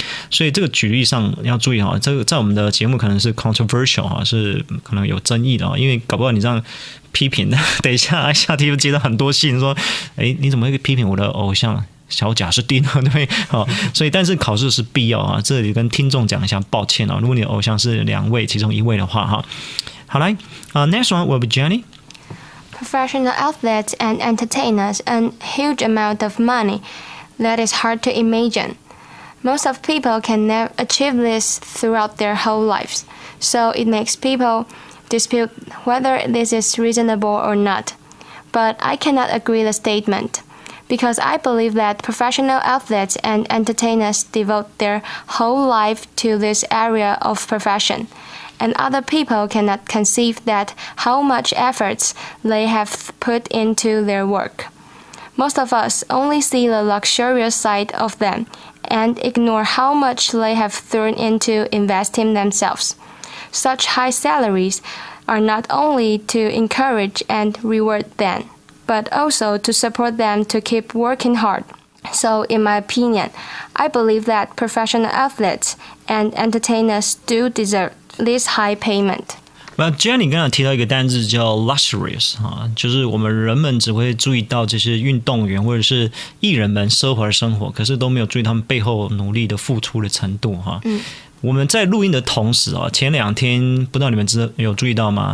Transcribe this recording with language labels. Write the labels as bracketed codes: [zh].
[zh] 所以这个举例上要注意这个在我们的节目可能是 controversial 是可能有争议的因为搞不好你这样批评等一下下题又接到很多信说你怎么会批评我的偶像小贾是丁对不对所以但是考试是必要这里跟听众讲一下抱歉如果你的偶像是两位其中一位的话好来 [en] next one will be Jenny Professional athletes and entertainers earn huge amount of money that is hard to imagine Most of people can never achieve this throughout their whole lives So it makes people dispute whether this is reasonable or not but I cannot agree the statement, because I believe that professional athletes and entertainers devote their whole life to this area of profession, and other people cannot conceive that how much efforts they have put into their work. Most of us only see the luxurious side of them and ignore how much they have thrown into investing themselves. Such high salaries are not only to encourage and reward them, but also to support them to keep working hard. So, in my opinion, I believe that professional athletes and entertainers do deserve this high payment. [zh] 那既然你刚刚提到一个单字叫 luxurious、啊、就是我们人们只会注意到这些运动员或者是艺人们奢华的生活，可是都没有注意他们背后努力的付出的程度、啊嗯、我们在录音的同时、啊、前两天不知道你们有注意到吗？